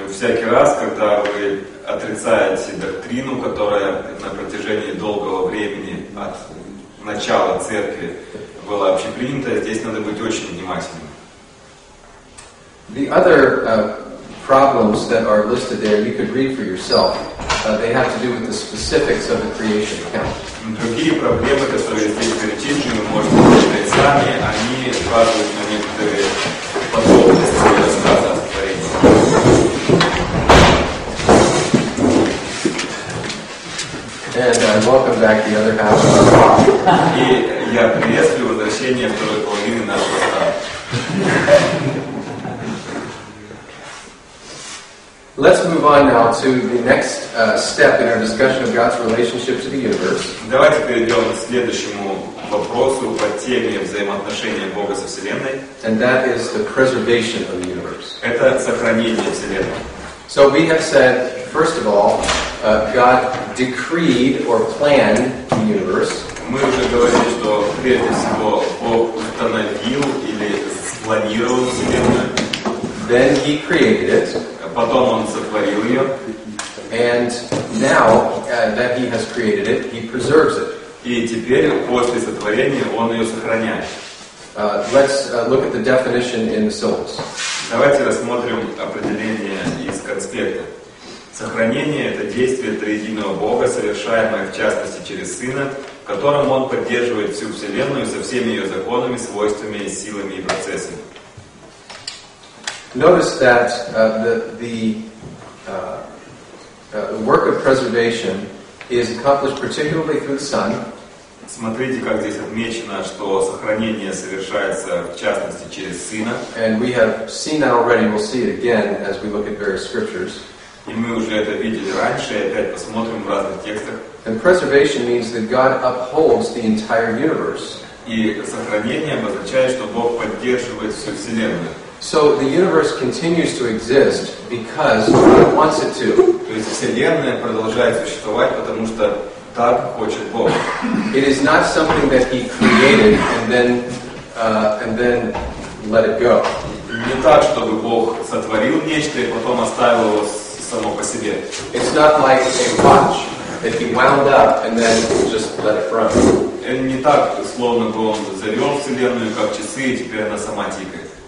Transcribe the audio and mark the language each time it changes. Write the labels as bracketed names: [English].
[Russian] Всякий раз, когда вы отрицаете доктрину, которая на протяжении долгого времени от начала церкви была общепринята, здесь надо быть очень внимательным. [English] The other problems that are listed there, you could read for yourself. They have to do with the specifics of the creation account. [Russian] Другие проблемы, которые здесь перечислены, вы можете прочитать сами, они указывают на некоторые подробности рассказа о творении. [English] And welcome back the other half. [Russian] И я приветствую возвращение второй половины нашего стола. [English] Let's move on now to the next step in our discussion of God's relationship to the universe. [Russian] Давайте перейдем к следующему вопросу по теме взаимоотношения Бога со Вселенной. [English] And that is the preservation of the universe. [Russian] Это сохранение Вселенной. [English] So we have said, first of all, God decreed or planned the universe. [Russian] Мы уже говорили, что прежде всего Бог установил или спланировал Вселенную. [English] Then He created it. [Russian] Потом Он сотворил ее. [English] And now that He has created it, He preserves it. [Russian] И теперь, после сотворения, Он ее сохраняет. [English] Let's look at the definition in the syllabus. [Russian] Давайте рассмотрим определение из конспекта. Сохранение — это действие Триединого Бога, совершаемое в частности через Сына, которым Он поддерживает всю Вселенную со всеми ее законами, свойствами, силами и процессами. [English] Notice that the work of preservation is accomplished particularly through the Son. [Russian] Смотрите, как здесь отмечено, что сохранение совершается в частности через Сына. [English] And we have seen that already. We'll see it again as we look at various scriptures. [Russian] И мы уже это видели раньше, и опять посмотрим в разных текстах. [English] And preservation means that God upholds the entire universe. [Russian] И сохранение обозначает, что Бог поддерживает всю Вселенную. [English] So the universe continues to exist because God wants it to. [Russian] То есть Вселенная продолжает существовать, потому что так хочет Бог. [English] It is not something that He created and then let it go. [Russian] Не так, чтобы Бог сотворил нечто и потом оставил его само по себе. [English] It's not like a watch that He wound up and then just let it run. [Russian] Не так, словно бы Он завел Вселенную как часы и теперь она сама тикает.